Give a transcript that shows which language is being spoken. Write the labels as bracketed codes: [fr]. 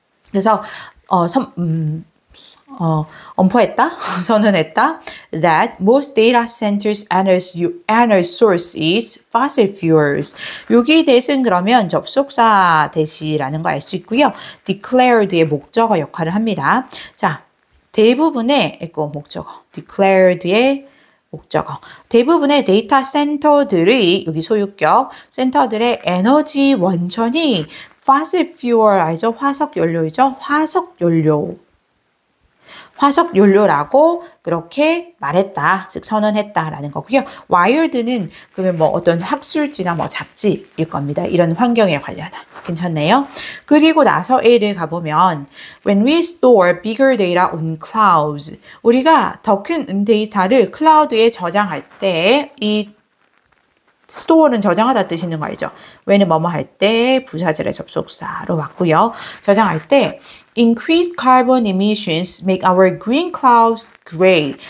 [ko] 그래서 언포했다, 선언했다 [en] that most data centers and energy sources is fossil fuels. [ko] 여기 대신 그러면 접속사 대시라는 거알수 있고요. declared의 목적어 역할을 합니다. 자, 대부분의 이거 목적어, declared의 목적어. 대부분의 데이터 센터들의 여기 소유격, 센터들의 에너지 원천이 fossil fuel 알죠? 화석 연료이죠? 화석 연료. 화석 연료라고 그렇게 말했다, 즉 선언했다라는 거고요. Wired는 그러면 뭐 어떤 학술지나 뭐 잡지일 겁니다. 이런 환경에 관련한. 괜찮네요. 그리고 나서 A를 가보면, [en] When we store bigger data on clouds, [ko] 우리가 더큰 데이터를 클라우드에 저장할 때, 이 store는 저장하다 뜻이 있는 거 알죠? When은 뭐뭐 할 때, 부사절의 접속사로 왔고요. 저장할 때, [en] Increased carbon emissions make our green clouds gray.